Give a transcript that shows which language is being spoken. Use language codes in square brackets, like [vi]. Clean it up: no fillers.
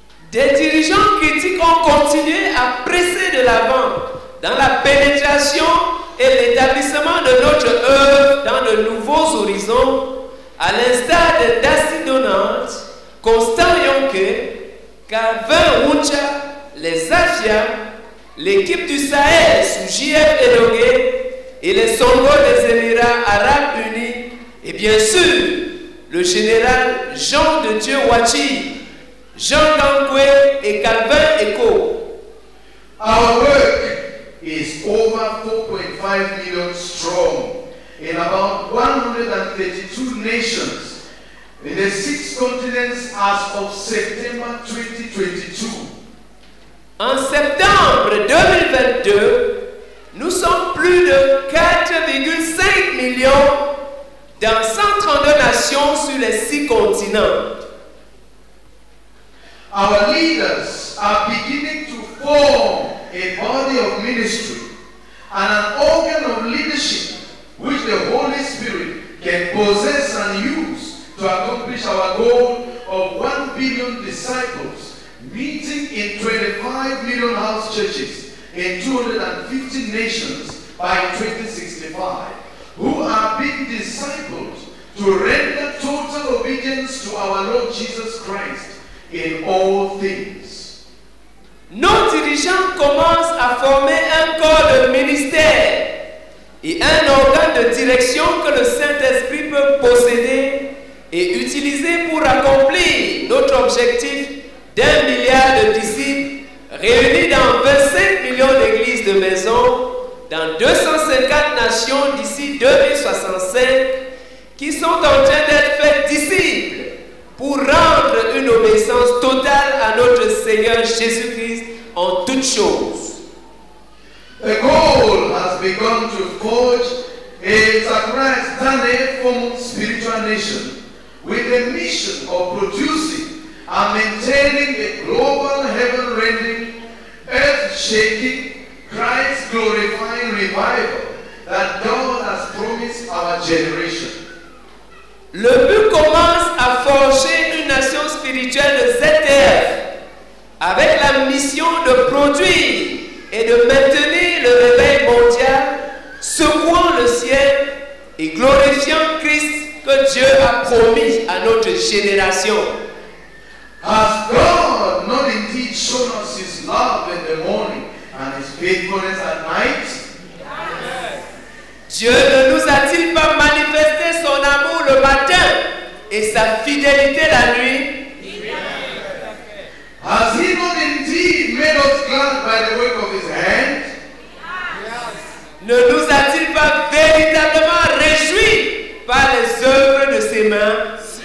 [fr] Des dirigeants critiques ont continué à presser de l'avant dans la pénétration et l'établissement de notre œuvre dans de nouveaux horizons, à l'instar de Dassi Donant, Constant Yonke, Calvin Wuncha, les Afias, l'équipe du Sahel sous JF Edoge et les Songos des Émirats Arabes Unis et bien sûr le général Jean de Dieu Wachi, Jean Gangwe et Calvin Eko. [en] Our work is over 4.5 million strong in about 132 nations in the 6 continents as of September 2022. [fr] En septembre 2022, nous sommes plus de 4,5 millions dans 132 nations sur les 6 continents. [en] Our leaders are beginning to form a body of ministry and an organ of leadership which the Holy Spirit can possess and use to accomplish our goal of 1 billion disciples meeting in 25 million house churches in 250 nations by 2065 who are being discipled to render total obedience to our Lord Jesus Christ in all things. [fr] Nos dirigeants commencent à former un corps de ministère et un organe de direction que le Saint-Esprit peut posséder et utiliser pour accomplir notre objectif d'un milliard de disciples réunis dans 25 millions d'églises de maison dans 250 nations d'ici 2065 qui sont en train d'être faits disciples pour rendre une obéissance totale à notre Seigneur Jésus-Christ en toutes choses. [en] The goal has begun to forge a transatlantic formal spiritual nation with the mission of producing and maintaining a global heaven-rending, earth-shaking, Christ-glorifying revival that God has promised our generation. [fr] Le but commence à forger une nation spirituelle de cette terre avec la mission de produire et de maintenir le réveil mondial, secouant le ciel et glorifiant Christ que Dieu a promis à notre génération. [en] Has God not indeed shown us His love in the morning and His faithfulness at night? Yes. [fr] Dieu ne nous a-t-il pas manifesté son amour le matin et sa fidélité la nuit? [en] Yes. Has He not indeed made us glad by the work of His hand? Yes. [fr] Ne nous a-t-il pas véritablement réjouis par les œuvres de ses mains?